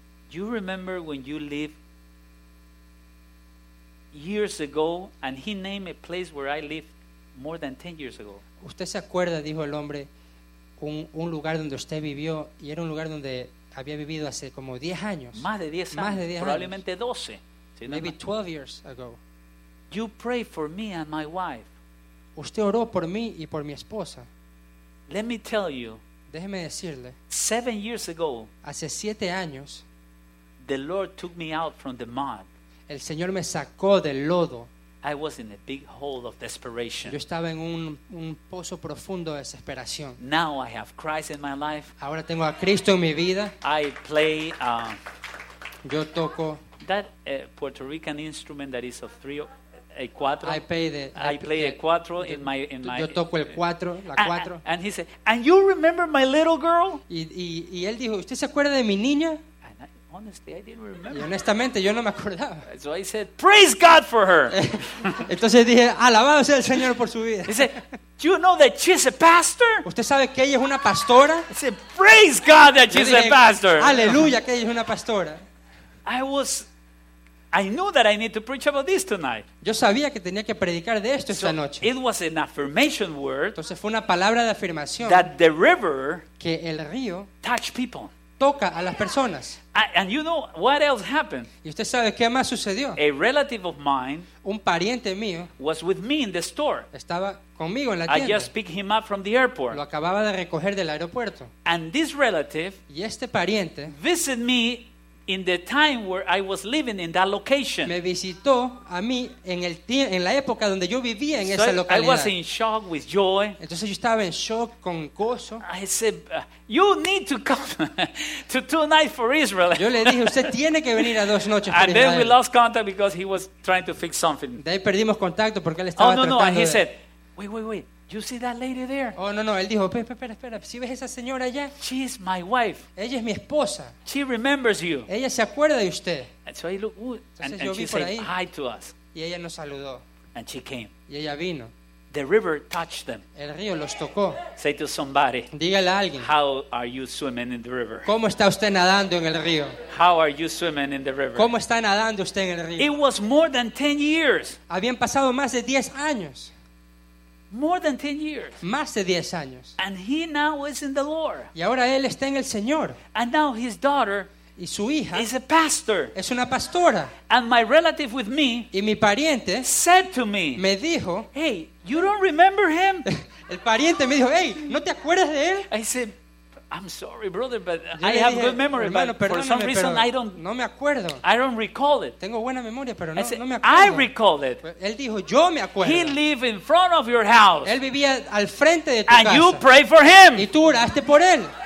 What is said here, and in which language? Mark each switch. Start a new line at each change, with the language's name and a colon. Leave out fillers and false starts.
English: You remember when you lived years ago, and he named a place where I lived more than 10 years ago.
Spanish: ¿Usted se acuerda, dijo el hombre, un lugar donde usted vivió y era un lugar donde había vivido hace como 10 años? Más de 10 años. Más de 10 años. Probablemente 12.
English: Maybe 12 years ago. You pray for me and my wife.
Spanish: Usted oró por mí y por mi esposa.
English: Let me tell you.
Spanish: Déjeme decirle.
English: 7 years ago.
Spanish: Hace 7 años.
English: The Lord took me out from the mud.
Spanish: El Señor me sacó del lodo.
English: I was in a big hole of desperation.
Spanish: Yo estaba en un pozo profundo de desesperación.
English: Now I have Christ in my life.
Spanish: Ahora tengo a Cristo en mi vida.
English: I play.
Spanish: Yo toco.
English: That Puerto Rican instrument that is of three, a cuatro.
Spanish: Yo toco el cuatro, la cuatro.
English: And he said, "And you remember my little girl?"
Spanish: Y él dijo, ¿usted se acuerda de mi niña?
English: And I, oh, honestly, I didn't remember.
Spanish: Y honestamente, yo no me acordaba.
English: So I said, praise God for her.
Spanish: Entonces dije, alabado sea el Señor por su vida.
English: He said, do you know that she's a pastor?
Spanish: ¿Usted sabe que ella es una pastora?
English: I said, praise God that she's a pastor.
Spanish: Aleluya, que ella es una pastora.
English: I knew that I need to preach about this tonight.
Spanish: Yo sabía que tenía que predicar de esto esta noche.
English: It was an affirmation word.
Spanish: Entonces fue una palabra de afirmación.
English: That the river,
Spanish: que el río,
English: touch people,
Spanish: toca a las personas.
English: And you know what else happened?
Spanish: ¿Y usted sabe qué más sucedió?
English: A relative of mine,
Spanish: un pariente mío,
English: was with me in the store.
Spanish: Estaba conmigo en la tienda.
English: I just picked him up from the airport.
Spanish: Lo acababa de recoger del aeropuerto.
English: And this relative,
Spanish: y este pariente,
English: visited me in the time where I was living in that location.
Spanish: Me visitó a mí en la época donde yo vivía en esa localidad.
English: I was in shock with joy.
Spanish: Entonces yo estaba en shock con gozo.
English: I said, you need to come to two nights for Israel.
Spanish: Yo le dije, usted tiene que venir a dos noches por Israel.
English: And then we lost contact because he was trying to fix something.
Spanish: De ahí perdimos contacto porque él estaba tratando.
English: Oh, no, no, and he said, wait. You see that lady there?
Spanish: Oh, no, no. Él dijo, espera. ¿Sí ves esa señora allá?
English: She is my wife.
Spanish: Ella es mi esposa.
English: She remembers you.
Spanish: Ella se acuerda de usted.
English: And so I look, ooh.
Spanish: Entonces
English: and
Spanish: yo
English: and
Spanish: vi
English: she
Spanish: por
English: said
Spanish: ahí.
English: Hi to us.
Spanish: Y ella nos saludó.
English: And she came.
Spanish: Y ella vino.
English: The river touched them.
Spanish: El río los tocó.
English: Say to somebody.
Spanish: Dígale a alguien.
English: How are you swimming in the river?
Spanish: ¿Cómo está usted nadando en el río?
English: How are you swimming in the river?
Spanish: ¿Cómo está nadando usted en el río?
English: It was more than 10 years.
Spanish: Habían pasado más de 10 años.
English: More than 10 years.
Spanish: Más de 10 años.
English: And he now is in the Lord.
Spanish: Y ahora él está en el Señor.
English: And now his daughter,
Spanish: y su hija,
English: is a pastor.
Spanish: Es una pastora.
English: And my relative with me,
Spanish: y mi pariente,
English: said to me,
Spanish: me dijo,
English: hey, you don't remember him?
Spanish: El pariente me dijo, hey, ¿no te acuerdas de él?
English: I said, I'm sorry, brother, but I have good memory,
Spanish: hermano,
English: but for some reason I don't.
Spanish: No me acuerdo.
English: I don't recall it.
Spanish: Tengo buena memoria, pero no,
English: I said,
Spanish: no me acuerdo.
English: I recall it.
Spanish: Él dijo, yo me acuerdo.
English: He lived in front of your house.
Spanish: Él vivía al frente de tu
English: and
Spanish: casa.
English: And you pray for him.
Spanish: Y tú oraste por él.